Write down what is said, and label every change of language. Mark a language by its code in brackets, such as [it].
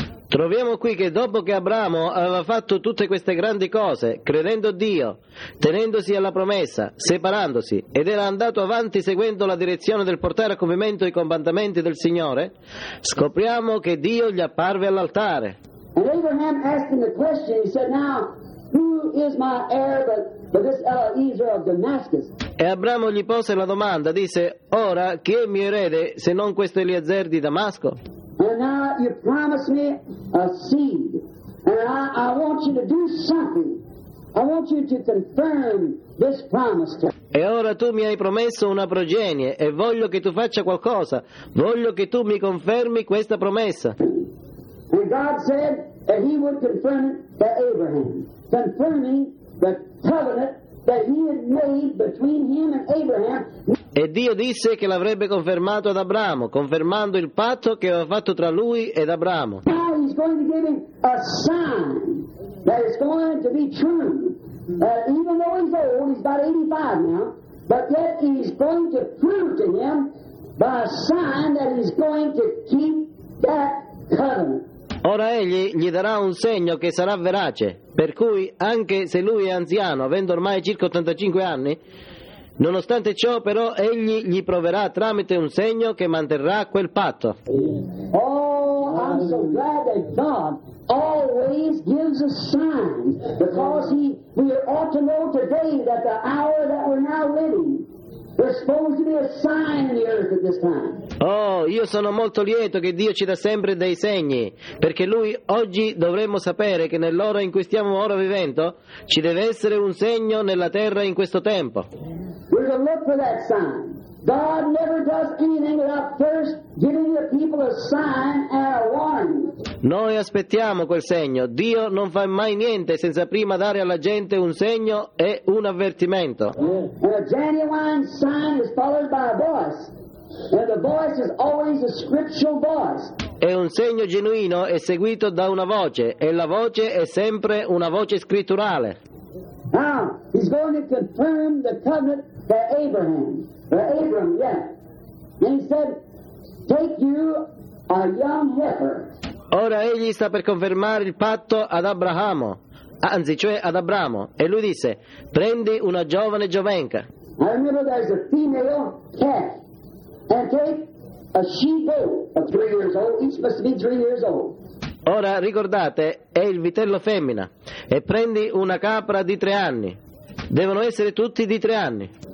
[it] Troviamo qui che dopo che Abramo aveva fatto tutte queste grandi cose, credendo Dio, tenendosi alla promessa, separandosi, ed era andato avanti seguendo la direzione del portare a compimento i comandamenti del Signore, scopriamo che Dio gli apparve all'altare. [en] And Abraham asked him the question, he said, now, who is my heir but this Eliezer of Damascus? [it] E Abramo gli pose la domanda, disse, ora, chi è mio erede se non questo Eliezer di Damasco? [en] And now you promised me a seed, and I want you to do something. I want you to confirm this promise to me. [it] E ora tu mi hai promesso una progenie, e voglio che tu faccia qualcosa. Voglio che tu mi confermi questa promessa. [en] And God said that he would confirm it to Abraham, confirming the covenant that he had made between him and Abraham. [it] E Dio disse che l'avrebbe confermato ad Abramo, confermando il patto che aveva fatto tra lui ed Abramo. [en] Now he's going to give him a sign that is going to be true. Even though he's old, he's about 85 now, but yet he's going to prove to him by a sign that he's going to keep that covenant. [it] Ora egli gli darà un segno che sarà verace, per cui anche se lui è anziano, avendo ormai circa 85 anni, nonostante ciò però egli gli proverà tramite un segno che manterrà quel patto. [en] Oh, I'm so glad that God always gives us signs, because we ought to know today that the hour that we're now living, there's supposed to be a sign in the earth at this time. [it] Oh, io sono molto lieto che Dio ci dà sempre dei segni, perché lui oggi dovremmo sapere che nell'ora in cui stiamo ora vivendo ci deve essere un segno nella terra in questo tempo. [en] We're going to look for that sign. God never does anything without first giving the people a sign and a warning. [it] Noi aspettiamo quel segno. Dio non fa mai niente senza prima dare alla gente un segno e un avvertimento. [en] And a genuine sign is followed by a voice. And the voice is always a scriptural voice. [it] E un segno genuino è seguito da una voce, e la voce è sempre una voce scritturale. [en] Now, he's going to confirm the covenant for Abraham. For Abram, yeah. And he said, take you a young heifer. [it] Ora egli sta per confermare il patto ad Abramo, anzi, cioè ad Abramo, e lui disse, prendi una giovane giovenca. [en] I remember there's a female calf. And take a she-goat of 3 years old. Each must be 3 years old. [it] Ora ricordate, è il vitello femmina. E prendi una capra di 3 anni. Devono essere tutti di 3 anni.